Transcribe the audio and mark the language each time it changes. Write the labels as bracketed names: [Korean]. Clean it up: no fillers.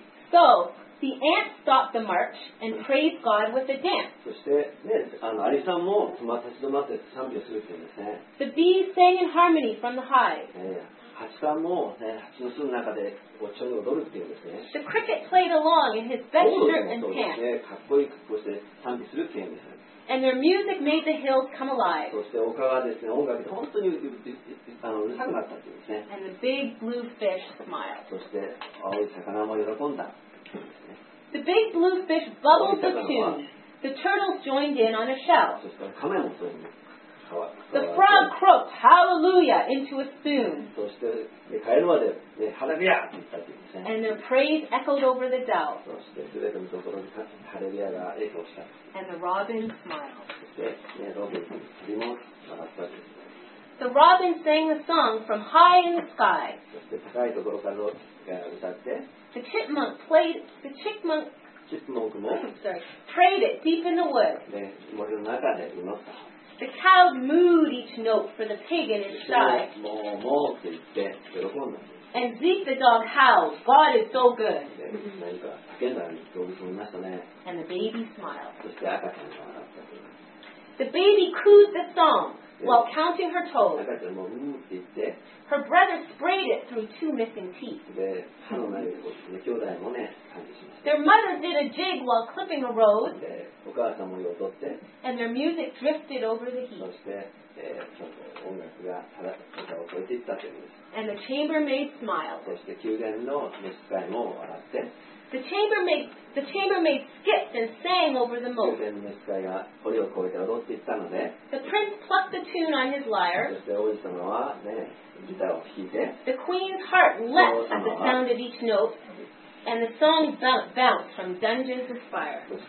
[English] So, the ant stopped the march and praised God with a dance. [Japanese] そしてね、アリさんも立ち止まって賛美をするというですね。 [English] The bees sang in harmony from the hive. [Japanese] ハチさんもね、ハチの巣の中でおちょり踊るっていうんですね。 [English] The cricket played along in his best shirt and pants. [Japanese] かっこいい格好して賛美するっていうんですね。 [English] And their music made the hills come alive. [Japanese] そして丘がですね、音楽で本当にうるさくなったっていうんですね。 [English] And the big blue fish smiled. [Japanese] そして青い魚も喜んだんですね。 [English] The big blue fish bubbled the tune. The turtles joined in on a shell. [Japanese] そしてカメもそうです。 [English] The frog croaked hallelujah into a spoon. [Japanese] そして、ね、カエルまで、ね、ハレルヤって言ったんですね。 [English] And their praise echoed over the dell. [Japanese] そしてすべてのところにハレルヤが影響した。 [English] And the robin smiled. [Japanese] そして、ね、ロビンの鳥も笑ったんですね。 [English] The robin sang the song from high in the sky. [Japanese] そして高いところから歌って。 [English] The chipmunk played. The chipmunk. [Japanese] Chipmunk も。 [English] Sorry. Prayed it deep in the wood. [Japanese] ね、森の中で祈った。 [English] The cow mooed each note for the pig in his side. [Japanese] もうもうって言って喜んだんです。 [English] And Zeke the dog howled, God is so good. And the baby smiled. [Japanese] そして赤ちゃんが笑った。 [English] The baby cooed the song while counting her toes. [Japanese] 赤ちゃんもうって言って。 [English] Her brother sprayed it through two missing teeth. [Japanese] で、歯のない兄弟もね、感じしました。 [English] Their mother did a jig while clipping a rose. [Japanese] で、お母さんも踊って。 [English] And their music drifted over the heat. [Japanese] そして、音楽がただ、歌を超えていったというんです。 [English] And the chambermaid smiled. [Japanese] そして、宮殿の召使いも笑って。 [English] The chambermaid skipped and sang over the moat. [Japanese] 宮殿の召使いが堀を越えて踊っていったので。 [English] The prince plucked the tune on his lyre. [Japanese] そして、王子様はね、 [English] The queen's heart leapt at the sound of each note, and the song bounced from dungeons of fire.